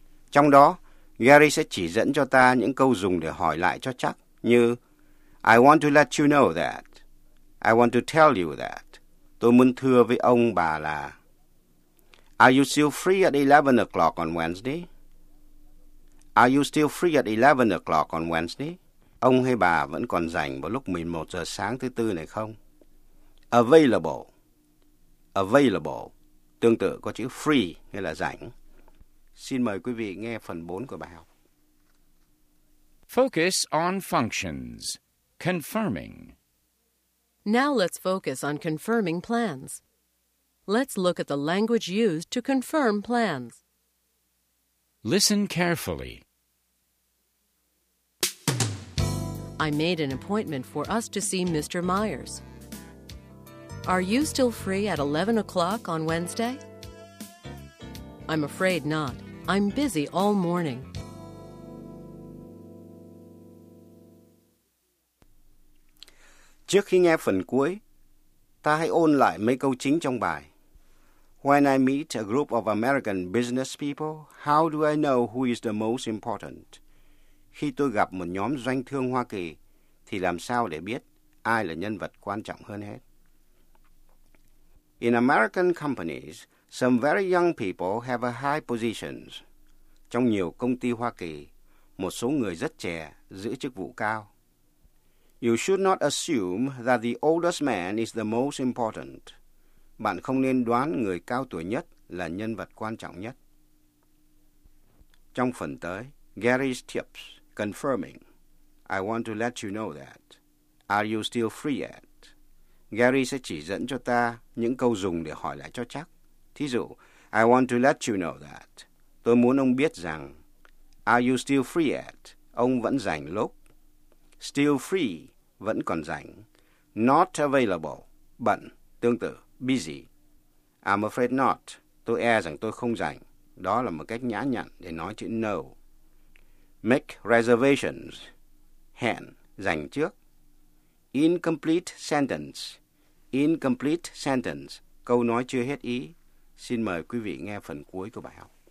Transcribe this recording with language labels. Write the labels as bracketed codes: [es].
[vi] Trong đó, Gary sẽ chỉ dẫn cho ta những câu dùng để hỏi lại cho chắc như [en] I want to let you know that. I want to tell you that. [vi] Tôi muốn thưa với ông bà là [en] Are you still free at 11 o'clock on Wednesday? Are you still free at 11 o'clock on Wednesday? [vi] Ông hay bà vẫn còn rảnh vào lúc 11 giờ sáng thứ tư này không? [en] Available. Available. [vi] Tương tự có chữ free, nghĩa là rảnh. Xin mời quý vị nghe phần 4 của bài học. [en] Focus on functions. Confirming. Now let's focus on confirming plans. Let's look at the language used to confirm plans. Listen carefully. I made an appointment for us to see Mr. Myers. Are you still free at 11 o'clock on Wednesday? I'm afraid not. I'm busy all morning. [vi] Trước khi nghe phần cuối, ta hãy ôn lại mấy câu chính trong bài. [en] When I meet a group of American business people, how do I know who is the most important? [vi] Khi tôi gặp một nhóm doanh thương Hoa Kỳ, thì làm sao để biết ai là nhân vật quan trọng hơn hết? [en] In American companies, some very young people have a high positions. [vi] Trong nhiều công ty Hoa Kỳ, một số người rất trẻ giữ chức vụ cao. [en] You should not assume that the oldest man is the most important. [vi] Bạn không nên đoán người cao tuổi nhất là nhân vật quan trọng nhất. Trong phần tới, [en] Gary's tips, confirming. I want to let you know that. Are you still free yet? [vi] Gary sẽ chỉ dẫn cho ta những câu dùng để hỏi lại cho chắc. Thí dụ, [en] I want to let you know that. [vi] Tôi muốn ông biết rằng, [en] are you still free yet? [vi] Ông vẫn rảnh lúc. [en] Still free, [vi] vẫn còn rảnh. [en] Not available, [vi] bận, tương tự, [en] busy. I'm afraid not, [vi] tôi e rằng tôi không rảnh. Đó là một cách nhã nhặn để nói chữ no. [en] Make reservations, [vi] hẹn, rảnh trước. [en] Incomplete sentence, incomplete sentence. [vi] Câu nói chưa hết ý. Xin mời quý vị nghe phần cuối của bài học.